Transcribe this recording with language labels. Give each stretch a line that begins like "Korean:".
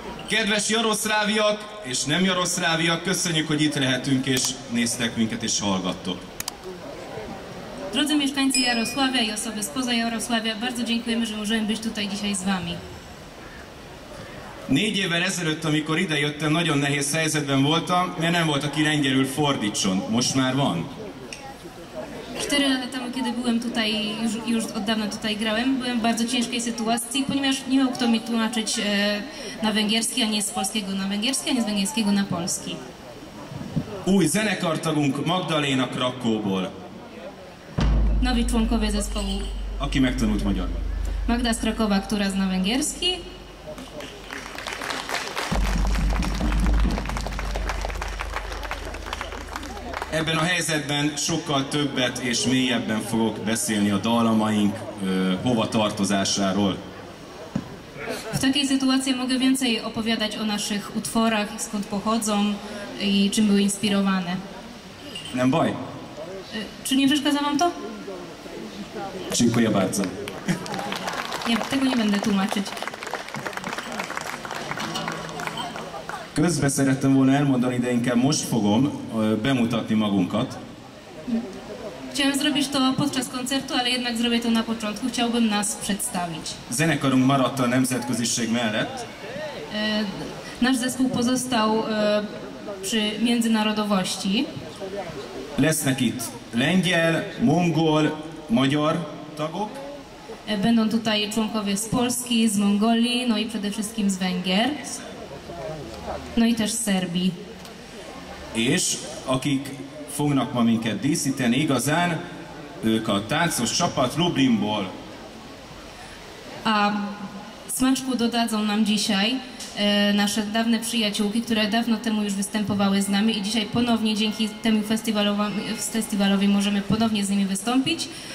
Hungarian: Kedves jaroszláviak és nem jaroszláviak, köszönjük, hogy itt lehetünk és néztek minket és hallgattok.
Polish: Drodzy mieszkańcy Jarosławia i osoby spoza Jarosławia, bardzo dziękujemy, że możemy być tutaj dzisiaj z wami.
Hungarian: 4 évvel ezelőtt, amikor ide jöttem, nagyon nehéz helyzetben voltam, mert nem volt, aki lengyelül fordítson. Most már van.
Polish: 4 lata temu, kiedy byłem tutaj, już od dawna tutaj grałem, byłem w bardzo ciężkiej sytuacji, ponieważ nie miał kto mi tłumaczyć na węgierski, a nie z polskiego na węgierski, a nie z węgierskiego na polski.
Hungarian: Új zenekartagunk Magdaléna Krakkóból.
Polish: Nowi członkowie zespołu.
Hungarian: Aki megtanult magyarul.
Polish: Magda z Krakowa, która zna węgierski.
Hungarian: Ebben a helyzetben sokkal többet és mélyebben fogok beszélni a dallamaink hova tartozásáról.
Polish: W takiej sytuacji mogę więcej opowiadać o naszych utworach, skąd pochodzą i czym były inspirowane.
Hungarian: Nem baj.
Polish: Czy nie przeszkadza wam to? Dziękuję bardzo. Nie, tego nie będę tłumaczyć.
Hungarian: Közben szerettem volna elmondani, de inkább most fogom bemutatni magunkat.
Polish: Chciałem zrobić to podczas koncertu, ale jednak zrobię to na początku. Chciałbym nas przedstawić.
Hungarian: Zenekarunk maradt a nemzetköziség mellett.
Polish: Nasz zespół pozostał przy międzynarodowości.
Hungarian: Lesznek itt lengyel, mongol, magyar tagok.
Polish: Będą tutaj członkowie z Polski, z Mongolii, no i przede wszystkim z Węgier. No i też Serbii.
Hungarian: És akik fognak ma minket díszíteni igazán, ők a táncos csapat Lublinból.
Polish: A smaczku dodadzą nam dzisiaj nasze dawne przyjaciółki, które dawno temu już występowały z nami i dzisiaj ponownie dzięki temu festiwalowi możemy ponownie z nimi wystąpić.